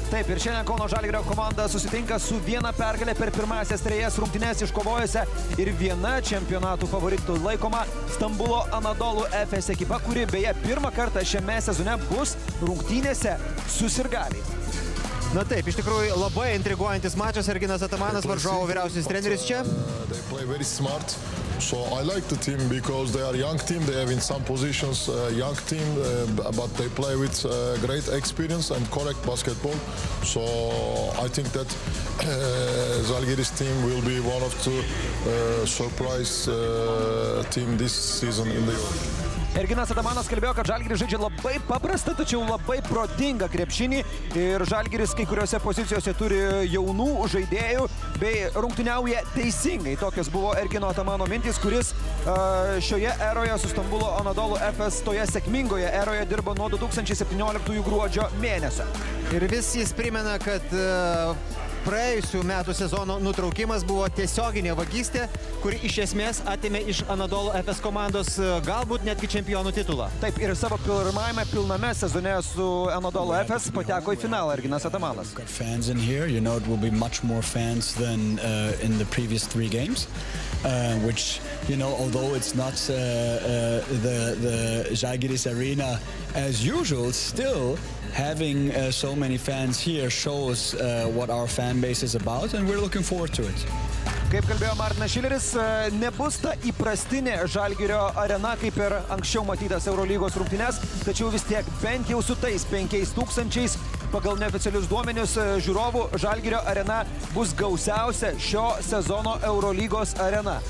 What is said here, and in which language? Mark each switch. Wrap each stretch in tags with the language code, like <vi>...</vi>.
<lt>Taip, ir šiandien Kauno Žalgirio komanda susitinka su viena pergale per pirmąsias trejas rungtynes iškovojose ir viena čempionatų favoritų laikoma Stambulo Anadolu FS ekipa, kuri beje pirmą kartą šiame sezone bus rungtynėse su sirgaliais. Na taip, iš tikrųjų labai intriguojantis mačas. Erginas Atamanas, varžovų vyriausiasis treneris čia.</lt> <en>They play very smart. So I like the team because they are young team, they have in some positions young team, but they play with great experience and correct basketball. So I think that Žalgiris team will be one of two surprise team this season in the Euroleague.</en> <lt>Erginas Atamanas kalbėjo, kad Žalgiris žaidžia labai paprasta, tačiau labai protinga krepšinį. Ir Žalgiris kai kuriuose pozicijose turi jaunų žaidėjų, bei rungtyniauja teisingai. Tokios buvo Ergino Atamano mintys, kuris šioje eroje su Stambulo Anadolu FS toje sėkmingoje eroje dirba nuo 2017 gruodžio mėnesio. Ir vis jis primena, kad praėjusių metų sezono nutraukimas buvo tiesioginė vagystė, kuri iš esmės atėmė iš Anadolu FS komandos galbūt netgi čempionų titulą. Taip, ir savo pirmajame pilname sezone su Anadolu FS pateko į finalą Erginas Atamanas.</lt> <en>Fans in here, you know, it will be much more fans than in the previous three games, which, you know, although it's not the Žalgiris arena as usual, still having so many fans here shows what our fan base is about, and we're looking forward to it.</en> <lt>Kaip kalbėjo Martinas Šileris, nebus ta įprastinė Žalgirio arena, kaip ir anksčiau matytas Eurolygos rungtynes, tačiau vis tiek bent jau su tais 5000 pagal neoficialius duomenius žiūrovų Žalgirio arena bus gausiausia šio sezono Eurolygos arena.</lt>